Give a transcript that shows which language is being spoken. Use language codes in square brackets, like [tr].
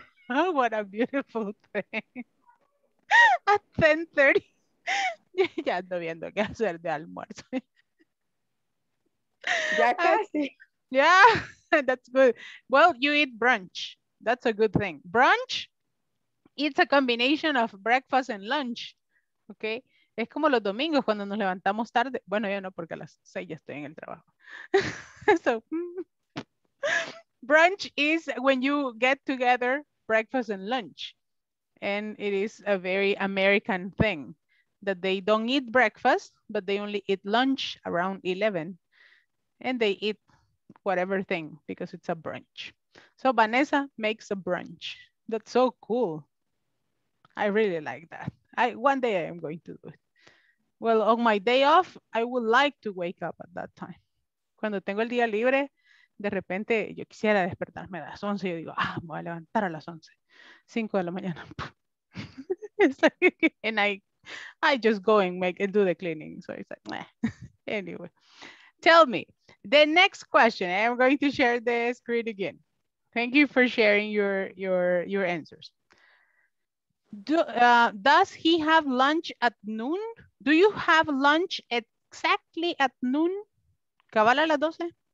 [en] Oh, what a beautiful thing. At 10:30. [es] Ya ando viendo qué hacer de almuerzo. Ya casi. [en] Yeah. That's good. Well, you eat brunch. That's a good thing. Brunch, it's a combination of breakfast and lunch. Okay. [es] Es como los domingos cuando nos levantamos tarde. Bueno, yo no, porque a las 6 ya estoy en el trabajo. [en] So, brunch is when you get together breakfast and lunch. And it is a very American thing. that they don't eat breakfast, but they only eat lunch around 11. And they eat whatever thing because it's a brunch. So Vanessa makes a brunch. That's so cool. I really like that. One day I am going to do it. Well, on my day off, I would like to wake up at that time. [es] Cuando tengo el día libre, de repente yo quisiera despertarme a las 11. Yo digo, ah, me voy a levantar a las 11. 5 de la mañana. [en] And I just go and do the cleaning. So it's like, meh. Anyway, tell me the next question. I'm going to share the screen again. Thank you for sharing your answers. Does he have lunch at noon? Do you have lunch exactly at noon? [es] ¿Cabal a las 12?